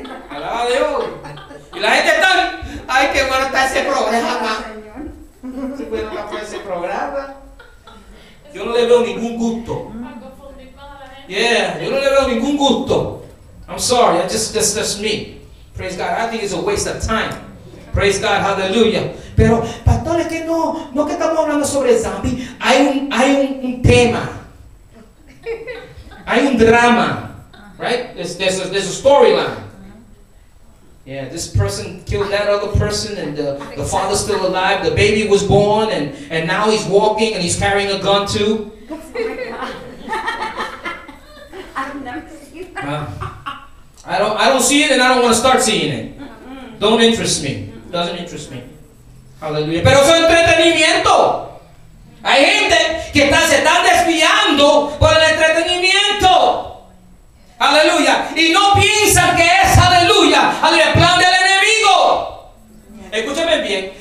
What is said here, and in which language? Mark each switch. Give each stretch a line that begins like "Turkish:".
Spanish: Alaba a Dios. Y la gente está. Ay, qué bueno está ese programa. Qué bueno está ese programa. Yo no le veo ningún gusto. Yeah, yo no le veo ningún gusto.
English: I'm sorry, that's me. Praise God, I think it's a waste of time. Praise God, hallelujah. Pero, pastores, que no que estamos hablando sobre el zombie.
Spanish: Hay un tema. Hay un drama. Right?
English: There's a storyline. Yeah, this person killed that other person, and the father's still alive. The baby was born, and now he's walking, and he's carrying a gun too. Oh my God. I've never seen that. I don't see it, and I don't want to start seeing it. Don't interest me. Doesn't interest me. Hallelujah.
Spanish: Pero eso es entretenimiento. Hay gente que se está desviando por el entretenimiento. Aleluya. Y no piensan que es aleluya. Aleluya. Plan del enemigo. Escúchame bien.